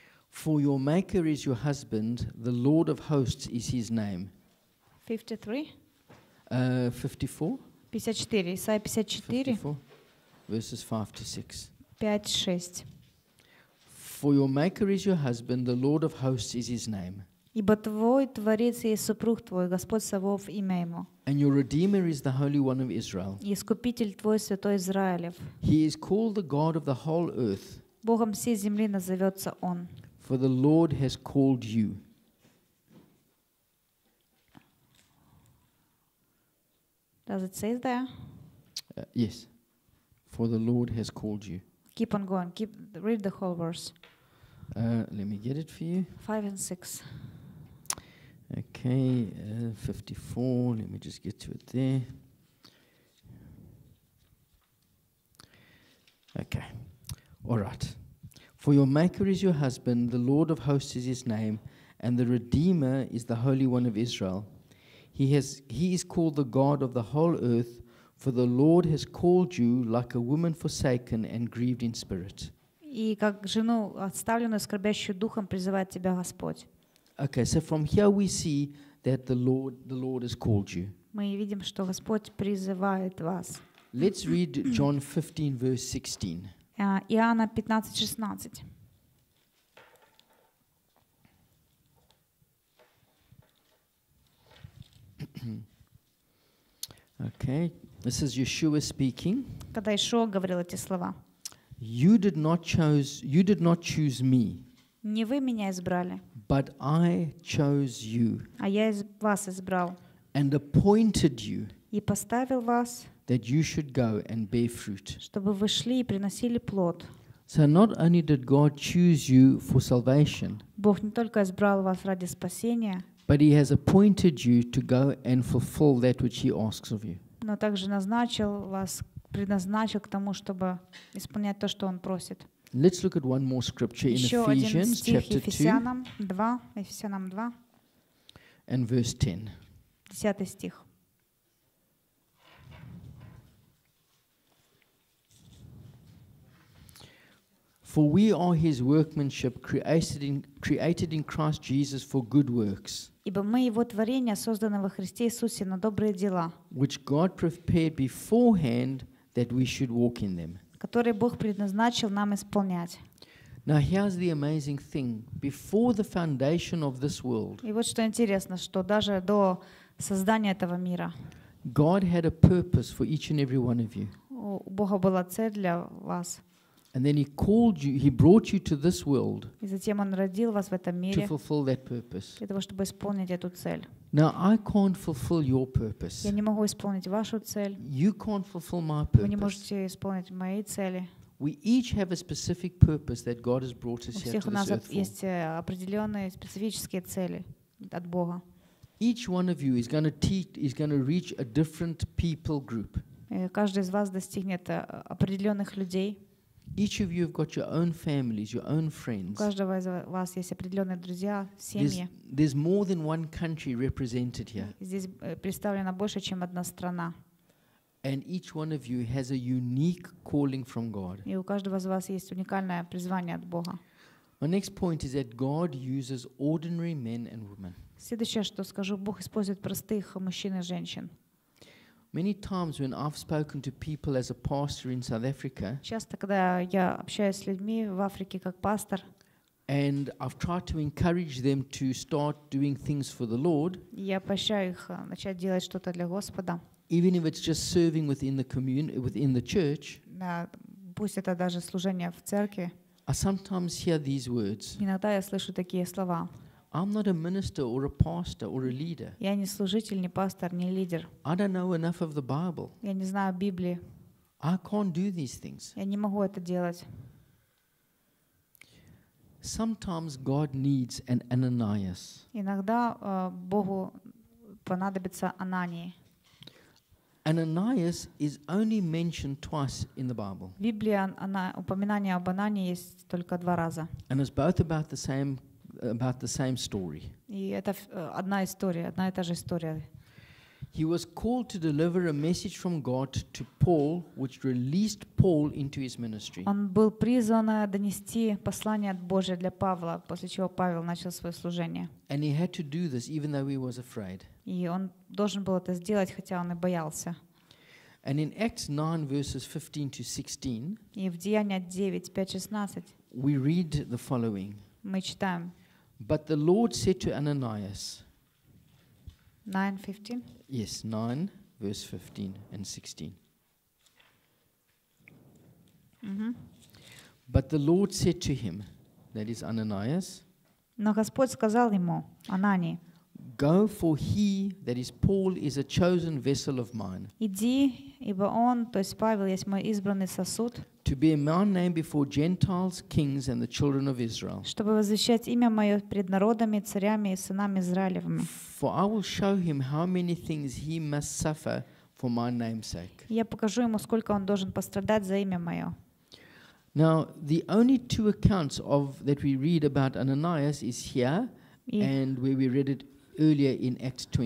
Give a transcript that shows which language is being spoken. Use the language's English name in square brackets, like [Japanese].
[English] For your maker is your husband, the Lord of hosts is his name. [Russian] 54. Исайя 54. [English] 54. Verses 5-6. For your maker is your husband, the Lord of hosts is his name. [Russian] Ибо твой творец есть супруг твой, Господь Савов имя ему. [English] And your redeemer is the Holy One of Israel. [Russian] И искупитель твой святой Израилев. [English] He is called the God of the whole earth. [Russian] Богом всей земли назовется он. [English] For the Lord has called you. Does it say there? Yes. For the Lord has called you. Keep on going. Keep read the whole verse. Let me get it for you. 5 and 6. Okay, 54. Let me just get to it there. Okay. All right. For your maker is your husband, the Lord of hosts is his name, and the Redeemer is the Holy One of Israel. He is called the God of the whole earth, for the Lord has called you like a woman forsaken and grieved in spirit. [Russian] И как жену отставленную, скорбящую духом, призывает тебя Господь. [English] Okay, so from here we see that the Lord has called you. [Russian] Мы видим, что Господь призывает вас. [English] Let's read John 15, verse 16. [Russian] Иоанна 15:16. [English] Okay, this is Yeshua speaking. [Russian] Когда Иешуа говорил эти слова. [English] You did not choose me. [Russian] Не вы меня избрали. [English] But I chose you. [Russian] А я вас избрал. [English] And appointed you. [Russian] И поставил вас. [English] That you should go and bear fruit. [Russian] Чтобы вы шли и приносили плод. [English] So not only did God choose you for salvation. [Russian] Бог не только избрал вас ради спасения. [English] But he has appointed you to go and fulfill that which he asks of you. [Russian] Но также назначил вас, предназначил к тому, чтобы исполнять то, что он просит. [English] Let's look at one more scripture in Ephesians chapter 2. [Russian] Ещё один стих Ефесянам 2. Ефесянам 2. [English] And verse 10. [Russian] 10 стих. [English] For For we are his workmanship created in Christ Jesus for good works. [Russian] Ибо мы его творение, созданное во Христе Иисусе на добрые дела. [English] Which God prepared beforehand that we should walk in them. [Russian] Которые Бог предназначил нам исполнять. [English] Now here's the amazing thing. Before the foundation of this world. [Russian] И вот что интересно, что даже до создания этого мира. [English] God had a purpose for each and every one of you. [Russian] У Бога была цель для вас. [English] And then he called you, he brought you to this world. [Russian] И затем он родил вас в этом мире. [English] To fulfill that purpose. [Russian] Для того, чтобы исполнить эту цель. [English] Now I can't fulfill your purpose. [Russian] Я не могу исполнить вашу цель. [English] You can't fulfill my purpose. [Russian] Вы не можете исполнить мои цели. [English] We each have a specific purpose that God has brought us here to this earth. [Russian] У всех у нас есть определенные специфические цели от Бога. [English] Each one of you is going to teach, is going to reach a different people group. [Russian] Каждый из вас достигнет определенных людей. [English] Each of you have got your own families, your own friends. [Russian] У каждого из вас есть определенные друзья, семьи. [English] There's more than one country represented here. [Russian] Здесь представлена больше, чем одна страна. [English] And each one of you has a unique calling from God. [Russian] И у каждого из вас есть уникальное призвание от Бога. [English] My next point is that God uses ordinary men and women. [Russian] Следующее, что скажу, Бог использует простых мужчин и женщин. [English] Many times when I've spoken to people as a pastor in South Africa. [Russian] Часто, когда я общаюсь с людьми в Африке как пастор. [English] And I've tried to encourage them to start doing things for the Lord. [Russian] Я поощряю их начать делать что-то для Господа. [English] Even if it's just serving within the community, within the church. [Russian] Пусть это даже служение в церкви. [English] I sometimes hear these words. [Russian] Иногда я слышу такие слова. [English] I'm not a minister or a pastor or a leader. [Russian] Я не служитель, не пастор, не лидер. [English] I don't know enough of the Bible. [Russian] Я не знаю Библии. [English] I can't do these things. [Russian] Я не могу это делать. [English] Sometimes God needs an Ananias. [Russian] Иногда Богу понадобится Анании. [English] Ananias is only mentioned twice in the Bible. [Russian] В Библии упоминание об Анании есть только два раза. [English] And it's both about the same story. [Russian] И это одна история, одна и та же история. [English] He was called to deliver a message from God to Paul, which released Paul into his ministry. [Russian] Он был призван донести послание от Божия для Павла, после чего Павел начал свое служение. [English] And he had to do this even though he was afraid. [Russian] И он должен был это сделать, хотя он и боялся. [English] And in Acts 9 verses 15 to 16. [Russian] И в Деяниях 9:5-16. [English] We read the following. [Russian] Мы читаем. [English] But the Lord said to Ananias. 9:15. Yes, 9 verse 15 and 16. Mm-hmm. But the Lord said to him, that is Ananias. [Russian] Но Господь сказал ему, Анании. [English] Go for he, that is Paul, is a chosen vessel of mine. [Russian] Иди, ибо он, то есть Павел, есть мой избранный сосуд. [English] To bear my name before Gentiles, kings, and the children of Israel. [Russian] Чтобы возвещать имя мое пред народами, царями и сынами Израилевыми. [English] For I will show him how many things he must suffer for my name's sake. [Russian] Я покажу ему, сколько он должен пострадать за имя мое. [English] Now the only two accounts of that we read about Ananias is here, and where we read it earlier in Acts 22.